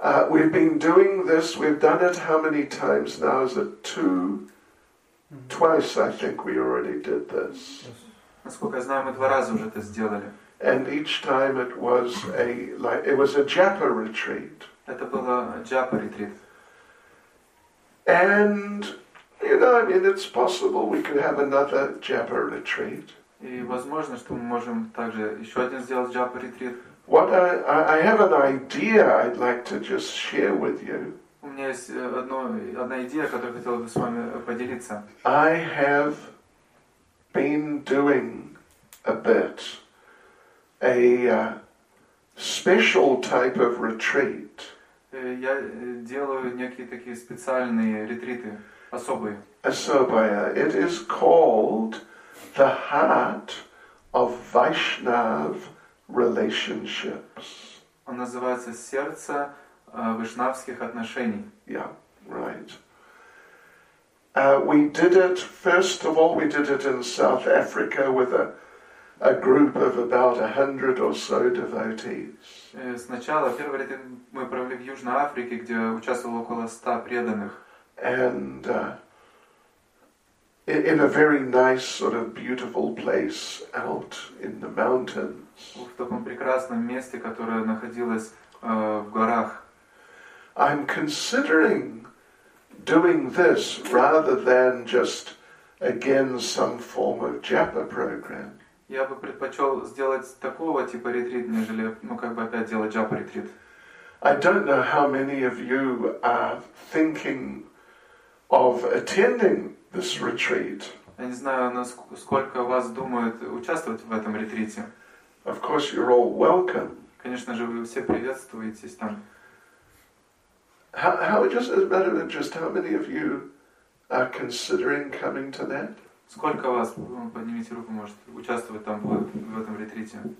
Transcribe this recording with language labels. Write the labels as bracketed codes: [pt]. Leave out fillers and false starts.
[en] We've been doing this, we've done it how many times now? Is it two? Twice, I think, we already did this. [ru] Насколько я знаю, мы два раза уже это сделали. [en] And each time it was a, like, it was a japa retreat. [ru] Это было japa retreat. [en] And, you know, I mean, it's possible we could have another japa retreat. [ru] И возможно, что мы можем также еще один сделать japa retreat. [en] What I have an idea I'd like to just share with you. [ru] У меня есть одна идея, которую хотел бы с вами поделиться. [en] I have been doing a bit a special type of retreat. [ru] Я делаю некие такие специальные ретриты, особые. Особая. [en] It is called the Heart of Vaishnav Relationships. [ru] Он называется «Сердце вайшнавских отношений». [en] Yeah, right. We did it, first of all, we did it in South Africa with a group of about 100 or so devotees. [ru] Сначала, первый ретрит мы провели в Южной Африке, где участвовало около 100 преданных. [en] And in a very nice, sort of beautiful place out in the mountains. [ru] В таком прекрасном месте, которое находилось в горах. [en] I'm considering doing this rather than just again some form of japa program. [ru] Я бы предпочел сделать такого типа ретрит, нежели, ну, как бы опять делать japa ретрит. [en] I don't know how many of you are thinking of attending this retreat. [ru] Я не знаю, сколько вас думают участвовать в этом ретрите. [en] Of course, you're all welcome. [ru] Конечно же, вы все приветствуетесь там. [en] How just as a matter of just how many of you are considering coming to that? [ru] Сколько вас, поднимите руку, может участвовать там в этом ретрите?